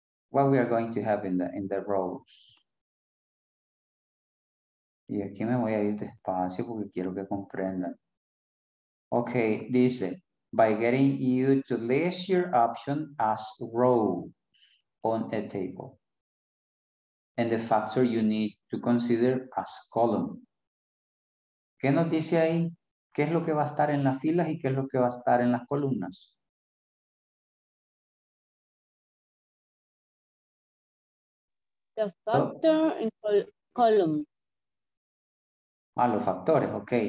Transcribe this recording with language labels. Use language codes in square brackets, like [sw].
[en] What we are going to have in the rows. [es] Y aquí me voy a ir despacio porque quiero que comprendan. Okay, dice... [en] By getting you to list your option as rows on a table. And the factor you need to consider as column. [es] ¿Qué nos dice ahí? ¿Qué es lo que va a estar en las filas y qué es lo que va a estar en las columnas? [en] The factor in column. [es] Ah, los factores, ok.